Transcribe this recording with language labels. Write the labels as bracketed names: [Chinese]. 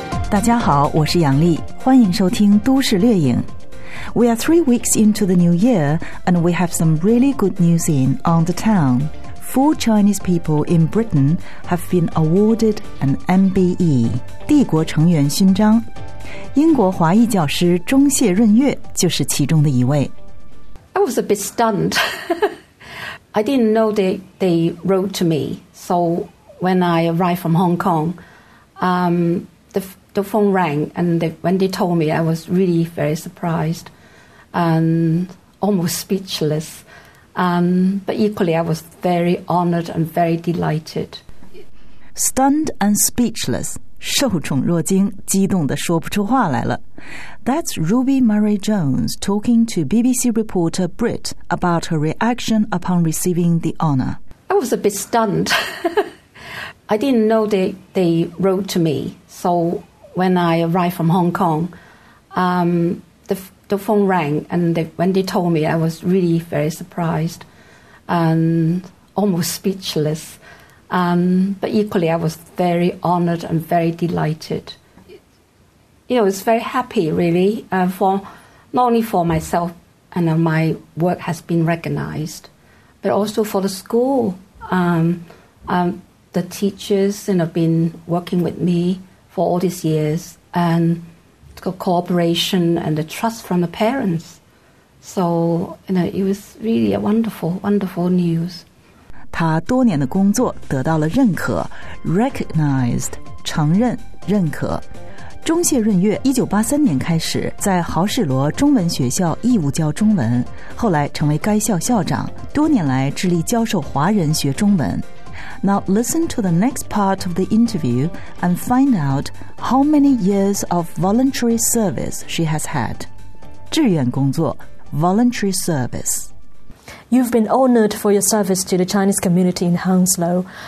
[Chinese] 大家好，我是杨丽，欢迎收听都市猎影。 [English] We are 3 weeks into the new year, and we have some really good news in on the town. 4 Chinese people in Britain have been awarded an MBE, [Chinese] 帝国成员勋章。英国华裔教师钟谢润月就是其中的一位。 [English] I was a bit stunned. I didn't know they wrote to me. So when I arrived from Hong Kong, the phone rang, and when they told me, I was really very surprised and almost speechless. But equally, I was very honored and very delighted. Stunned and speechless, [Chinese] 受宠若惊，激动得说不出话来了。 [English] That's Ruby Murray-Jones talking to BBC reporter Britt about her reaction upon receiving the honor. I was a bit stunned. I didn't know they wrote to me. So when I arrived from Hong Kong, the phone rang, and when they told me, I was really very surprised and almost speechless. But equally, I was very honored and very delighted. You know, it's very happy, really, for not only for myself and my work has been recognized, but also for the school. The teachers, you know, been working with me for all these years, and the cooperation and the trust from the parents. So, you know, it was really a wonderful, wonderful news. [Chinese] 他多年的工作得到了认可 ，recognized， 承认，认可。钟谢润月1983年开始在豪士罗中文学校义务教中文，后来成为该校校长，多年来致力教授华人学中文。 [English] Now listen to the next part of the interview and find out how many years of voluntary service she has had. [Chinese] 志愿工作 voluntary service. [English] You've been honored for your service to the Chinese community in Hounslow.